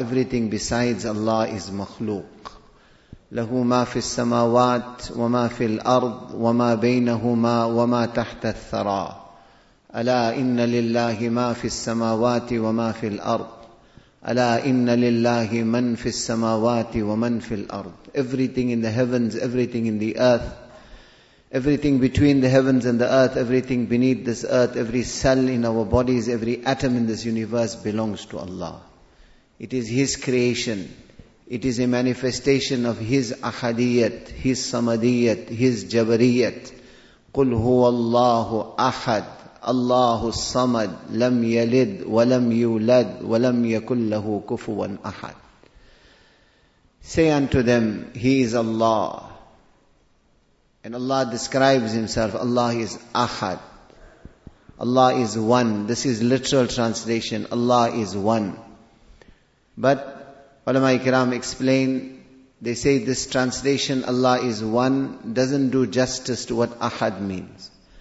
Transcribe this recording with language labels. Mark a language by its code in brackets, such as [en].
[en] Everything besides Allah is makhluq. [ar] لَهُ مَا فِي السَّمَاوَاتِ وَمَا فِي الْأَرْضِ [en] وَمَا بَيْنَهُمَا وَمَا تَحْتَ الثَّرَى أَلَا إِنَّ لِلَّهِ مَا فِي السَّمَاوَاتِ وَمَا فِي الْأَرْضِ أَلَا إِنَّ لِلَّهِ مَنْ فِي السَّمَاوَاتِ وَمَنْ فِي الْأَرْضِ Everything in the heavens, everything in the earth, everything between the heavens and the earth, everything beneath this earth, every cell in our bodies, every atom in this universe belongs to Allah. It is His creation. It is a manifestation of His Ahadiyat, His Samadiyat, His Jabariyat. [ar] قُلْ هُوَ اللَّهُ أَحَدْ اللَّهُ الصَّمَدْ لَمْ يَلِدْ وَلَمْ يُولَدْ وَلَمْ يَكُلْ لَهُ كُفُوًا أَحَدْ [en] Say unto them, He is Allah. And Allah describes Himself, Allah is Ahad. Allah is one. This is literal translation. Allah is one. But ulama ikram explain, they say this translation, Allah is one, doesn't do justice to what ahad means.